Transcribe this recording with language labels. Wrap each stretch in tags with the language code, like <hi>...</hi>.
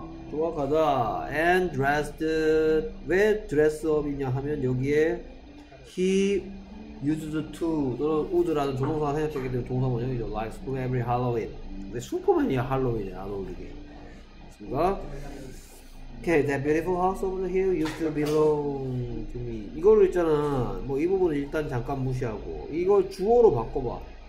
<ko>조악하다.</ko> <en>And dressed</en> <ko>왜 dress up이냐 하면 여기에</ko> <en>he used to</en> <ko>또는 would라는 조동사가 생략되기 때문에 동사 번역이죠.</ko> <en>Like Superman every Halloween.</en> <ko>근데 슈퍼맨이야 할로윈에 안 어울리게. 됐습니까?</ko> <en>Okay, that beautiful house over the hill used to belong to me.</en> <ko>이거를 있잖아. 뭐 이 부분을 일단 잠깐 무시하고 이걸 주어로 바꿔봐.</ko>